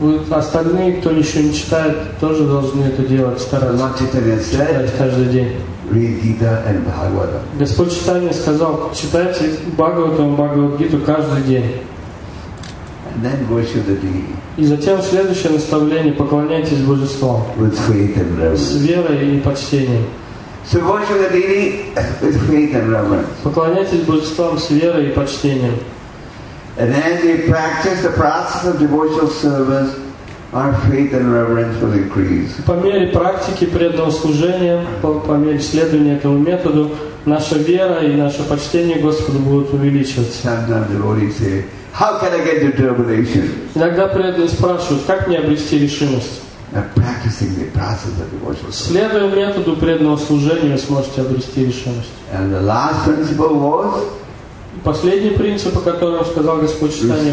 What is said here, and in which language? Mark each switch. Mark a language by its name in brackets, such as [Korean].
[Russian] Остальные, кто еще не читает, тоже должны это делать, стараться читать каждый день. [English] read Gita and Bhagavatam. [Russian] Господь Читания сказал, читайте Бхагаватам, Бхагавадгиту каждый день. [English] And then worship the deity. [Russian] И затем следующее наставление, поклоняйтесь Божеству. [English] With faith and reverence. [Russian] С верой и почтением. [English] So worship the deity with faith and reverence. [Russian] Поклоняйтесь Божеству с верой и почтением. [English] And as you practice the process of devotional service, our faith and reverence will increase. [Russian] По мере практики преданного служения, по мере следования этому методу, наша вера и наше почтение Господу будут увеличиваться. [English] Sometimes devotees say, "How can I get determination?" [Russian] Иногда преданные спрашивают, как мне обрести решимость. [English] By practicing the process of devotional service. [Russian] Следуя методу преданного служения, вы сможете обрести решимость. [English] And the last principle was. [Russian] Последний принцип, о котором сказал Господь Читание,